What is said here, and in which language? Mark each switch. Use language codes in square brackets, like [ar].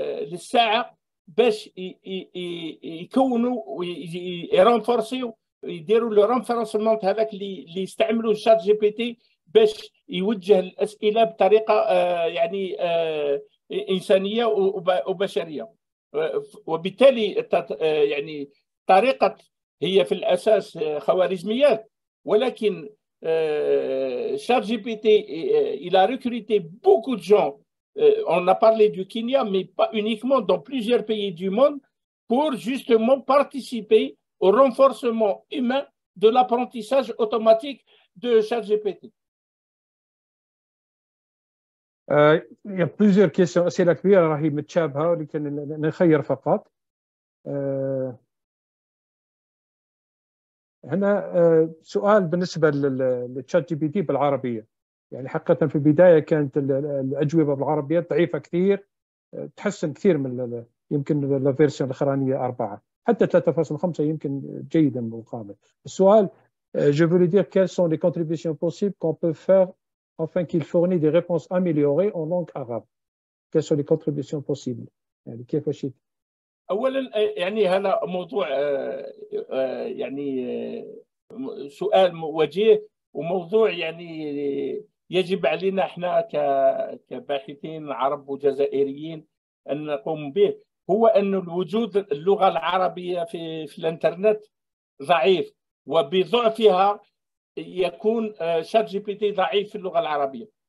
[ar] للساعة باش يكونوا ويرانفورسيو يديروا الرانفورسمنت هذاك اللي يستعملوا الشات جي بي تي باش يوجه الأسئلة بطريقة يعني إنسانية وبشرية. وبالتالي يعني طريقة هي في الأساس خوارزميات، ولكن شات جي بي تي [fr] il a recruté beaucoup de gens. On a parlé du Kenya, mais pas uniquement, dans plusieurs pays du monde, pour justement participer au renforcement humain de l'apprentissage automatique de ChatGPT. Il y a plusieurs questions. C'est la première, Rahim Tchabha, qui est une meilleure fois. [ar] هنا سؤال بالنسبة للتشات جي بي تي بالعربية، يعني حقا في البداية كانت الأجوبة بالعربية ضعيفة كثير، تحسن كثير من يمكن الفيرسيون الأخرانية 4 حتى 3.5 يمكن جيدا مقابل. [fr] السؤال je voulais dire quelles sont les contributions possibles qu'on peut faire afin qu'il fournisse des réponses améliorées en langue arabe. Quelles sont les contributions possibles؟ [ar] يعني كيف أشيت؟ اولا يعني هذا موضوع يعني سؤال وجيه وموضوع يعني يجب علينا احنا كباحثين عرب وجزائريين ان نقوم به، هو ان الوجود اللغه العربيه في الانترنت ضعيف، وبضعفها يكون شات جي بي تي ضعيف في اللغه العربيه.